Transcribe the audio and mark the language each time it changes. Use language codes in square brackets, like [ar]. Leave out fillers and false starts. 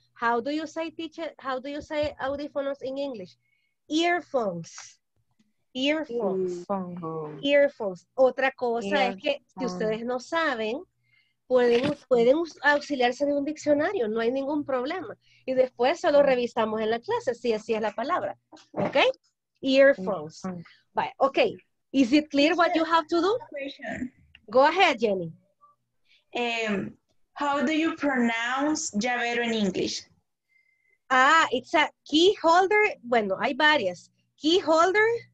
[en] How do you say, teacher, how do you say audífonos in English? Earphones. Earphones. Earphones. [es] Otra cosa es que si ustedes no saben, pueden auxiliarse de un diccionario, no hay ningún problema. Y después solo revisamos en la clase si así es la palabra. [en] ¿Ok? Earphones. Bye. Ok. Is it clear what you have to do? Go ahead, Jenny. How do you pronounce llavero in English? Ah, it's a key holder. [es] Bueno, hay varias. [en] Key holder.